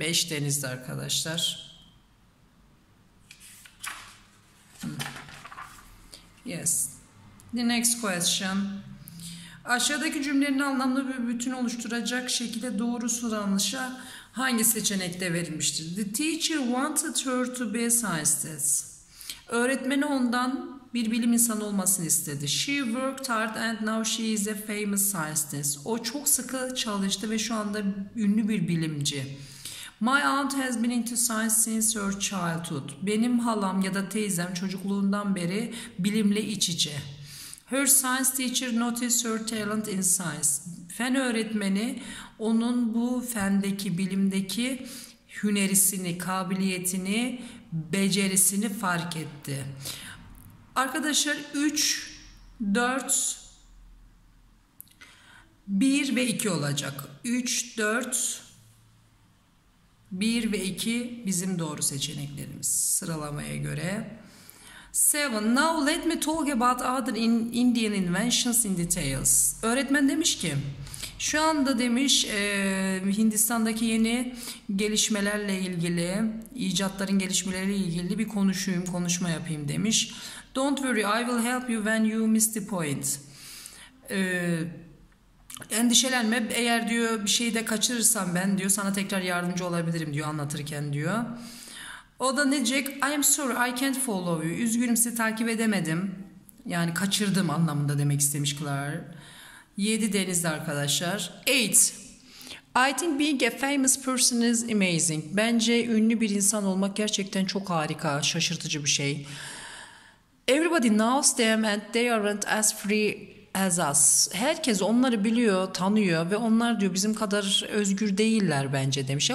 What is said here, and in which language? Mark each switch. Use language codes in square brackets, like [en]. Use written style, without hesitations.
[tr] 5 denizde arkadaşlar. [en] Yes. The next question. [tr] Aşağıdaki cümlenin anlamlı bir bütün oluşturacak şekilde doğru sıralanışa hangi seçenekte verilmiştir? [en] The teacher wanted her to be a scientist. [tr] Öğretmeni ondan bir bilim insanı olmasını istedi. [en] She worked hard and now she is a famous scientist. [tr] O çok sıkı çalıştı ve şu anda ünlü bir bilimci. [en] My aunt has been into science since her childhood. [tr] Benim halam ya da teyzem çocukluğundan beri bilimle iç içe. [en] Her science teacher noticed her talent in science. [tr] Fen öğretmeni onun bu fendeki, bilimdeki hünerisini, kabiliyetini, becerisini fark etti. Arkadaşlar 3, 4, 1 ve 2 olacak. 3, 4, 1 ve 2 bizim doğru seçeneklerimiz sıralamaya göre. 7. [en] Now let me talk about other Indian inventions in details. [tr] Öğretmen demiş ki, şu anda demiş Hindistan'daki yeni gelişmelerle ilgili, icatların gelişmeleriyle ilgili bir konuşayım, konuşma yapayım demiş. [en] Don't worry, I will help you when you miss the point. [tr] Endişelenme, eğer diyor bir şeyi de kaçırırsam ben diyor sana tekrar yardımcı olabilirim diyor anlatırken diyor. O da ne diyecek? [en] I'm sorry, I can't follow you. [tr] Üzgünüm, sizi takip edemedim. Yani kaçırdım anlamında demek istemiş Clara. 7 denizde arkadaşlar. 8. [en] I think being a famous person is amazing. [tr] Bence ünlü bir insan olmak gerçekten çok harika, şaşırtıcı bir şey. [en] Everybody knows them and they aren't as free as us. [tr] Herkes onları biliyor, tanıyor ve onlar diyor bizim kadar özgür değiller bence demiş.